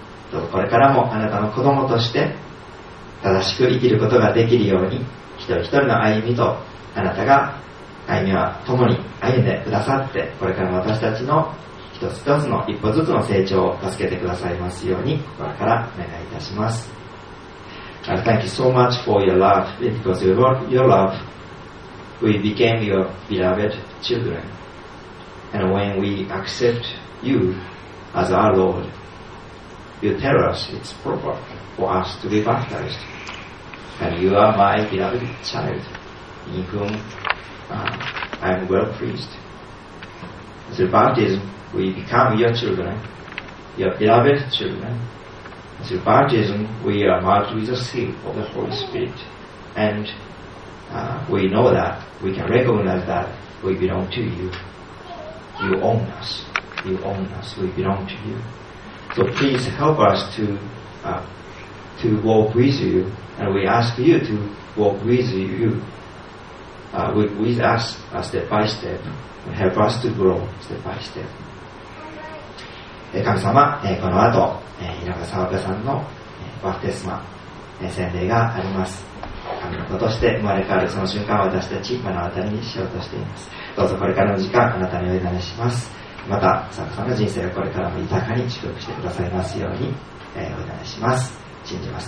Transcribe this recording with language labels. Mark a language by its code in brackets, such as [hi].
[ja] どうぞこれからもあなたの子供として正しく生きることができるように、一人一人の歩みとあなたが歩みは共に歩んでくださって、これからも私たちの一つ一つの一歩ずつの成長を助けてくださいますように、心からお願いいたします。 [en] I thank you so much for your love, because your love we became your beloved children, and when we accept you as our Lord, you tell us it's proper for us to be baptized, and you are my beloved childin whom I am well pleased. Through baptism, we become your children, your beloved children. Through baptism, we are marked with the seal of the Holy Spirit. And we know that, we can recognize that we belong to you. You own us. You own us. We belong to you. So please help us to walk with you. And we ask you to walk with you. With us, step by step, and help us to grow step by step. [ja] 神様、この後、井上沢岡さんのバプテスマ、洗礼があります。神の子として生まれ変わるその瞬間、私たち目の当たりにしようとしています。どうぞこれからの時間、あなたにお委ねします。また、沢岡さんの人生をこれからも豊かに祝福してくださいますように、お委ねします。信じます。